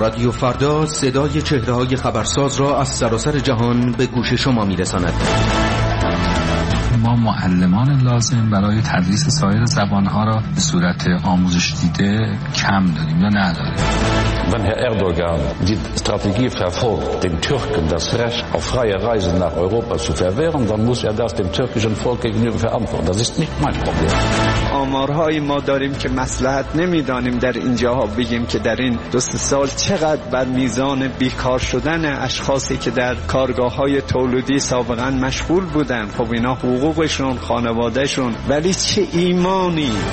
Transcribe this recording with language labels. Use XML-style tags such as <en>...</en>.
<fa>فردا صدای چهره‌های خبرساز را از سراسر جهان به گوش شما می‌رساند. ما معلمان لازم برای تدریس سایر زبان‌ها را به صورت آموزش دیده کم داریم یا نداریم.</fa> <de>Wenn Herr Erdogan die Strategie verfolgt, den Türken das Recht auf freie Reisen nach Europa zu verwehren, dann muss er das dem türkischen Volk gegenüber verantworten. Das ist nicht mein Problem.</de> <fa>آمارهایی ما داریم که مصلحت نمیدانیم در اینجاها بگیم که در این دو سه سال چقدر بر میزان بیکار شدن اشخاصی که در کارگاه‌های تولیدی سابقا مشغول بودن، خب اینا حقوقشون، خانواده‌شون، ولی چه ایمانی؟</fa>